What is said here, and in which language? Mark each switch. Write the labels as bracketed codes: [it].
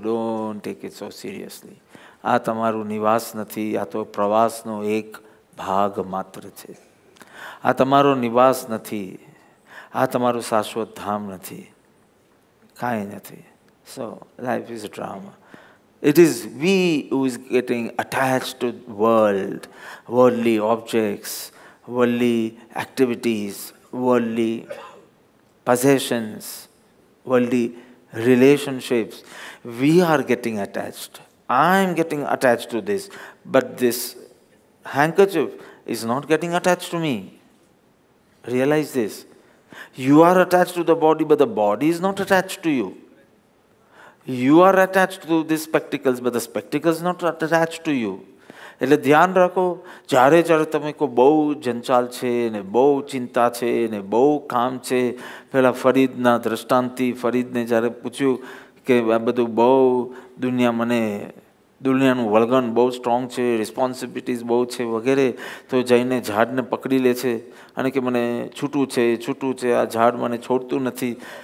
[en] Don't take it so seriously. [gu] આ તમારું નિવાસ નથી, આ તો પ્રવાસનો એક ભાગ માત્ર છે. આ તમારો નિવાસ નથી, આ તમારું શાશ્વત ધામ નથી, કાંઈ નથી. [en] So life is a drama. It is we who is getting attached to world, worldly objects, worldly activities, worldly possessions, worldly relationships. We are getting attached. I am getting attached to this, but this handkerchief is not getting attached to me. Realize this. You are attached to the body, but the body is not attached to you. You are attached to these spectacles, but the spectacles not attached to you. [gu] એટલે ધ્યાન રાખો, જ્યારે જ્યારે તમે કહો બહુ જંચાલ છે ને બહુ ચિંતા છે ને બહુ કામ છે. પેલા ફરીદના દ્રષ્ટાંતથી ફરીદને જ્યારે પૂછ્યું કે આ બધું બહુ દુનિયા મને દુનિયાનું વળગણ બહુ સ્ટ્રોંગ છે, રિસ્પોન્સિબિલિટીઝ બહુ છે વગેરે, તો જઈને ઝાડને પકડી લે છે અને કે મને છૂટું છે, આ ઝાડ મને છોડતું નથી.